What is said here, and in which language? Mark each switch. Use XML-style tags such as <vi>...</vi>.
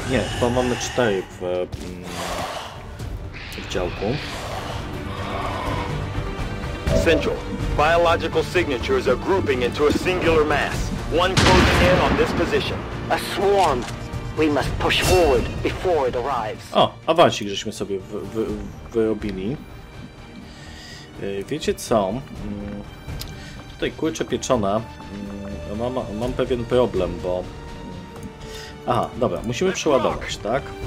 <pl>Nie, chyba mamy 4 w działku.</pl> <en>Central. Biological signatures are grouping into a singular mass. One closing in on this position. A swarm. We must push forward before it arrives.</en> <pl>O, awansik żeśmy sobie wyrobili. Wiecie co? Tutaj kurczę pieczone. Mam pewien problem, bo... Aha, dobra, musimy przeładować, tak?</pl>